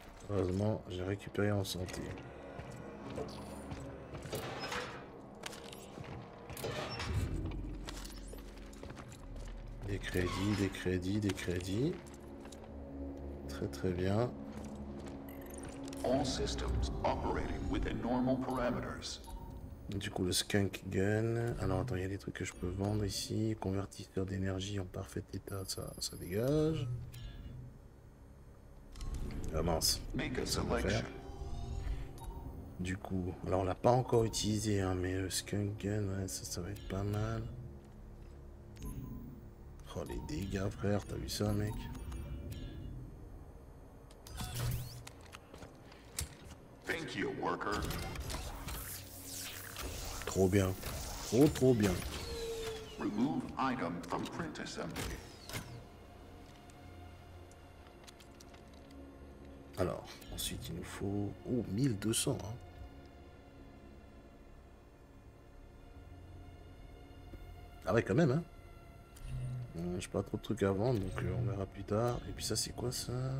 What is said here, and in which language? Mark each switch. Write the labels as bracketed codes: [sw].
[fr] Heureusement, j'ai récupéré en santé. Des crédits, des crédits, des crédits. Très très bien. [en] All systems operating within normal parameters. [fr] Du coup le skunk gun. Alors attends, il y a des trucs que je peux vendre ici. Convertisseur d'énergie en parfait état, ça dégage. Ah mince, ça va faire. Du coup, alors on l'a pas encore utilisé, hein, mais le skunk gun, ouais, ça va être pas mal. Oh les dégâts, frère, t'as vu ça, mec? [en] Thank you, worker. [fr] Trop bien, trop bien. [en] Remove item from print assembly. [fr] Alors, ensuite il nous faut... Oh, 1200, hein. Ah ouais, quand même, hein. J'ai pas trop de trucs à vendre, donc on verra plus tard. Et puis ça, c'est quoi, ça?